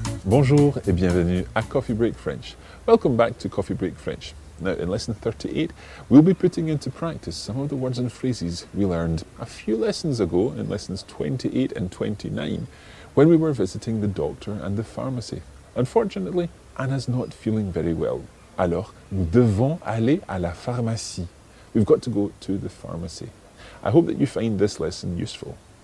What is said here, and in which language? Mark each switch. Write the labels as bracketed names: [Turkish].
[French] Bonjour et bienvenue à Coffee Break French. [English] Welcome back to Coffee Break French. Now, in lesson 38, we'll be putting into practice some of the words and phrases we learned a few lessons ago in lessons 28 and 29 when we were visiting the doctor and the pharmacy. Unfortunately, Anna's not feeling very well. [French] Alors, nous devons aller à la pharmacie. [English] We've got to go to the pharmacy. I hope that you find this lesson useful.